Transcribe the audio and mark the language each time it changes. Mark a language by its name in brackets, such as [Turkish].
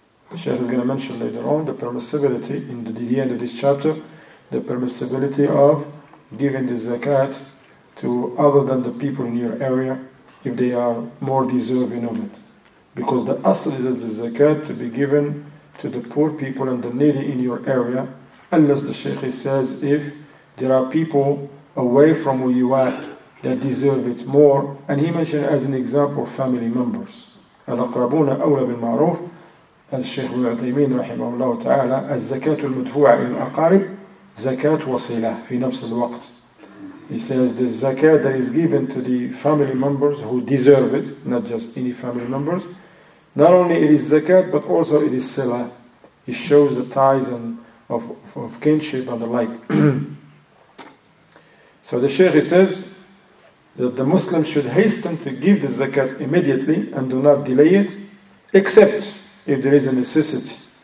[English] The Sheikh is going to mention later on the permissibility in the end of this chapter, the permissibility of giving the zakat to other than the people in your area if they are more deserving of it. Because the asr is the zakat to be given to the poor people and the needy in your area, unless the Sheikh says if there are people away from where you are that deserve it more. And he mentioned as an example family members. [Arabic] الأقربون أولى بالمعروف. الشيخ العثيمين رحمه الله تعالى الزكاة المدفوعة إلى الأقارب زكاة وصلة في نفس الوقت. [English] He says the zakat that is given to the family members who deserve it, not just any family members, not only it is zakat but also it is sila. It shows the ties and of kinship and the like. So the Sheikh says that the Muslim should hasten to give the zakat immediately and do not delay it, except if there is a necessity.